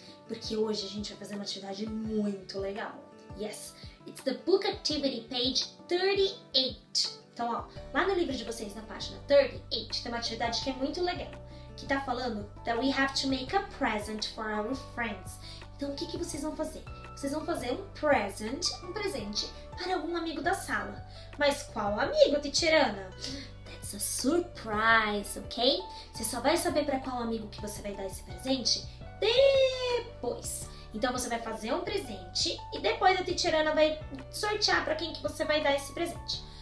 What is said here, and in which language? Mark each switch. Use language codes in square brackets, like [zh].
[pt] Porque hoje a gente vai fazer uma atividade muito legal. [en] Yes, it's the book activity page 38. [pt] Então, ó, lá no livro de vocês, na página 38, tem uma atividade que é muito legal. Que tá falando [en] that we have to make a present for our friends. [pt] Então, o que vocês vão fazer? Vocês vão fazer um presente para algum amigo da sala. Mas qual amigo, Titirana? [en] That's a surprise, ok? [pt] Você só vai saber para qual amigo que você vai dar esse presente depois. Então você vai fazer um presente e depois a Titirana vai sortear para quem que você vai dar esse presente.